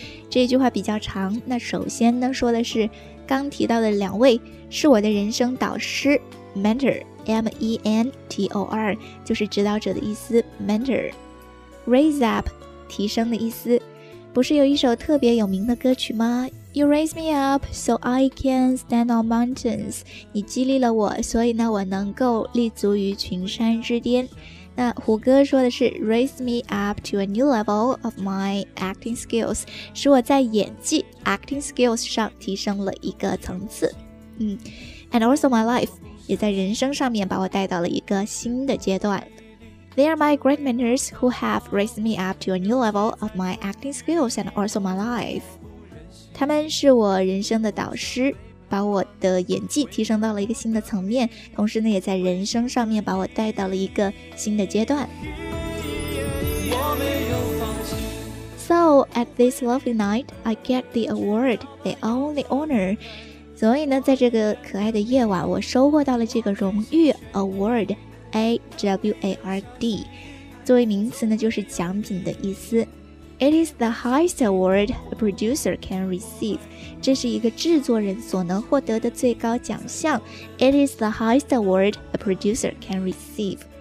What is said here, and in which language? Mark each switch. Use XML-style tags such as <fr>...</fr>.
<zh>这句话比较长，那首先呢说的是刚提到的两位是我的人生导师 ,Mentor, M-E-N-T-O-R, 就是指导者的意思 ,Mentor. Raise up,提升的意思，不是有一首特别有名的歌曲吗？</zh> <en>You raise me up so I can stand on mountains.</en> <zh>你激励了我，所以呢，我能够立足于群山之巅。那胡歌说的是</zh> <en>raise me up to a new level of my acting skills，</en> <zh>使我在演技 acting skills 上提升了一个层次。</zh> <en>And also my life</en> <zh>也在人生上面把我带到了一个新的阶段。</zh> <en>They are my great mentors who have raised me up to a new level of my acting skills and also my life.</en> <zh>他们是我人生的导师，把我的演技提升到了一个新的层面，同时呢，也在人生上面把我带到了一个新的阶段。</zh> <en>So, at this lovely night, I get the award, they own the honor.</en> <zh>所以呢，在这个可爱的夜晚，我收获到了这个荣誉 award. A-W-A-R-D 作为名词呢就是奖品的意思</zh> <en>It is the highest award a producer can receive</en> <zh>这是一个制作人所能获得的最高奖项</zh> <en>It is the highest award a producer can receive</en>